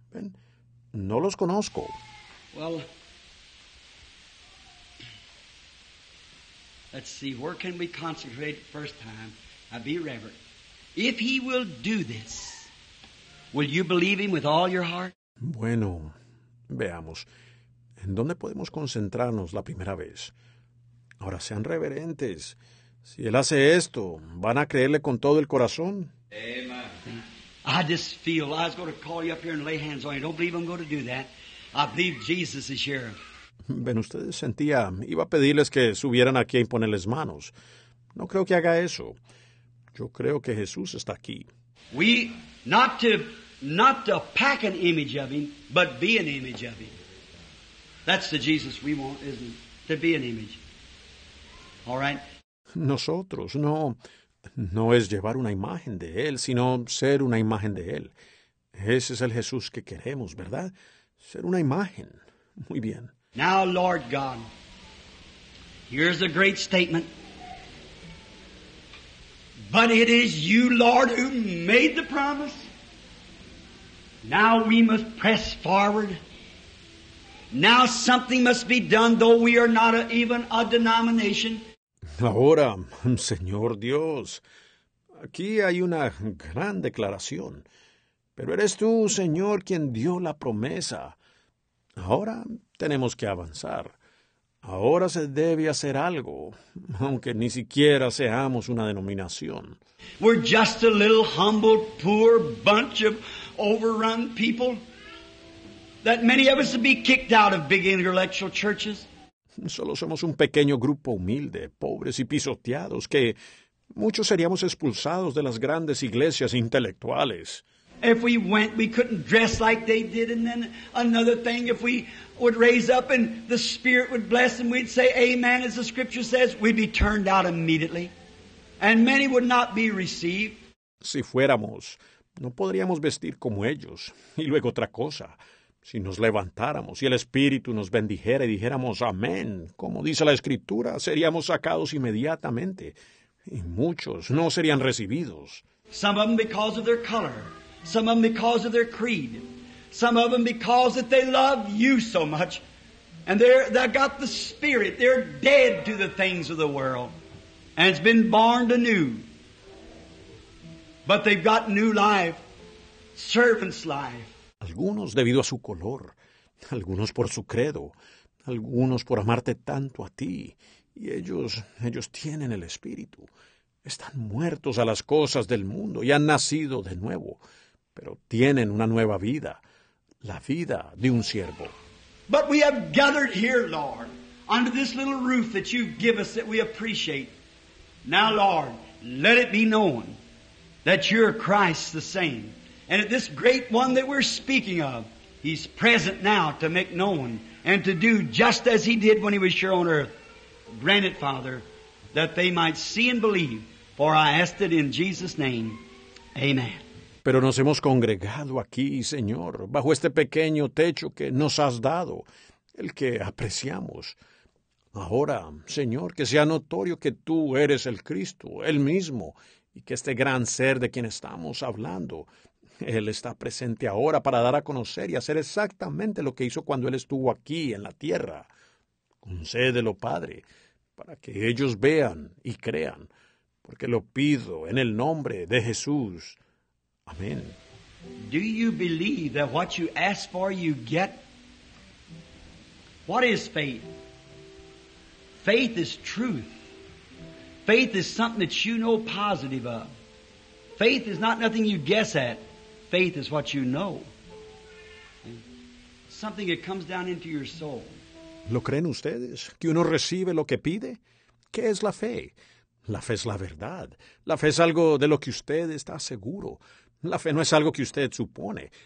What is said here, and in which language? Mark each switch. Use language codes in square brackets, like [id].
[es] ¿Ven? No los conozco. [en] Well, let's see, where can we consecrate first time? I be reverent. If he will do this, will you believe him with all your heart? [es] Bueno, veamos. ¿En dónde podemos concentrarnos la primera vez? Ahora sean reverentes. Si él hace esto, ¿van a creerle con todo el corazón? [en] Amen. I just feel I was going to call you up here and lay hands on you. Don't believe I'm going to do that. I believe Jesus is here. [es] Ven, ustedes sentía, iba a pedirles que subieran aquí a imponerles manos. No creo que haga eso. Yo creo que Jesús está aquí. [en] We, not to pack an image of him, but be an image of him. That's the Jesus we want, isn't it? To be an image. All right? [es] Nosotros, no. No es llevar una imagen de Él, sino ser una imagen de Él. Ese es el Jesús que queremos, ¿verdad? Ser una imagen. Muy bien. [en] Now, Lord God, here's a great statement. But it is you, Lord, who made the promise. Now we must press forward. Now something must be done, though we are not even a denomination. [es] Ahora, Señor Dios, aquí hay una gran declaración, pero eres tú, Señor, quien dio la promesa. Ahora tenemos que avanzar. Ahora se debe hacer algo, aunque ni siquiera seamos una denominación. [en] We're just a little humble, poor bunch of overrun people that many of us would be kicked out of big intellectual churches. [es] Solo somos un pequeño grupo humilde, pobres y pisoteados, que muchos seríamos expulsados de las grandes iglesias intelectuales. [en] If we went, we couldn't dress like they did, and then another thing, if we would raise up and the Spirit would bless and we'd say amen, as the Scripture says, we'd be turned out immediately, and many would not be received. [es] Si fuéramos, no podríamos vestir como ellos, y luego otra cosa. Si nos levantáramos y el Espíritu nos bendijera y dijéramos amén, como dice la Escritura, seríamos sacados inmediatamente y muchos no serían recibidos. [en] Some of them because of their color, some of them because of their creed, some of them because that they love you so much and they've got the Spirit, they're dead to the things of the world and it's been born anew. But they've got new life, servant's life. [es] Algunos debido a su color, algunos por su credo, algunos por amarte tanto a ti. Y ellos tienen el Espíritu. Están muertos a las cosas del mundo y han nacido de nuevo. Pero tienen una nueva vida, la vida de un siervo. [en] But we have gathered here, Lord, under this little roof that you give us that we appreciate. Now, Lord, let it be known that you're Christ the same. And at this great one that we're speaking of, he's present now to make known and to do just as he did when he was here on earth. Grant it, Father, that they might see and believe, for I ask it in Jesus' name. Amen. [es] Pero nos hemos congregado aquí, Señor, bajo este pequeño techo que nos has dado, el que apreciamos. Ahora, Señor, que sea notorio que tú eres el Cristo, el mismo, y que este gran ser de quien estamos hablando, Él está presente ahora para dar a conocer y hacer exactamente lo que hizo cuando Él estuvo aquí en la tierra. Concédelo, Padre, para que ellos vean y crean, porque lo pido en el nombre de Jesús. Amén. [en] Do you believe that what you ask for, you get? What is faith? Faith is truth. Faith is something that you know positive of. Faith is not nothing you guess at. Faith is what you know. Something that comes down into your soul. [es] ¿Lo creen ustedes? ¿Que uno recibe lo que pide? ¿Qué es la fe? La fe es la verdad. La fe es algo de lo que usted está seguro. La fe no es algo que usted supone.